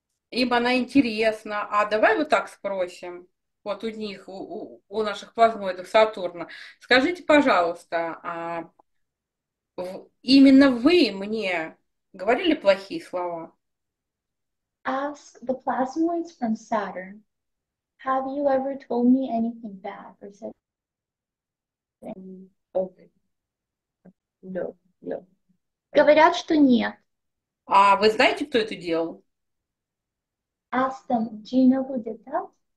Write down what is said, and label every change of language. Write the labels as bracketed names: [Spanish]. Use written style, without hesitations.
[Russian] Им она интересна. А давай вот так спросим. Вот у них, у наших плазмоидов Сатурна. Скажите, пожалуйста, именно вы мне говорили плохие слова? [English] Ask the plasmoids from Saturn. Have you ever told me anything bad or said? No. [Russian] Говорят, что нет. А вы знаете, кто это делал? [English] Ask them, do you know who did that?